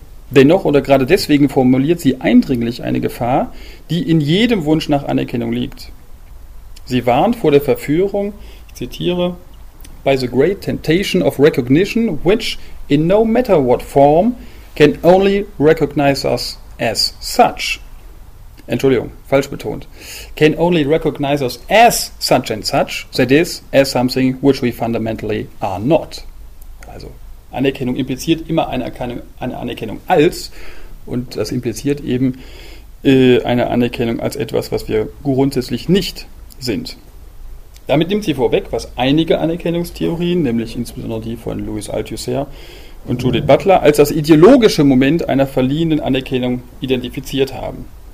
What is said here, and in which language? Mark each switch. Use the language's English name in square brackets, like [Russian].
[German] Dennoch oder gerade deswegen formuliert sie eindringlich eine Gefahr, die in jedem Wunsch nach Anerkennung liegt. Sie warnt vor der Verführung, ich zitiere, [English] by the great temptation of recognition, which, in no matter what form, can only recognize us as such. [German] Entschuldigung, falsch betont. [English] Can only recognize us as such and such, that is, as something which we fundamentally are not. [German] Also, Anerkennung impliziert immer eine Anerkennung als, und das impliziert eben eine Anerkennung als etwas, was wir grundsätzlich nicht sind. Damit nimmt sie vorweg, was einige Anerkennungstheorien, nämlich insbesondere die von Louis Althusser und Judith Butler, als das ideologische Moment einer verliehenen Anerkennung identifiziert haben.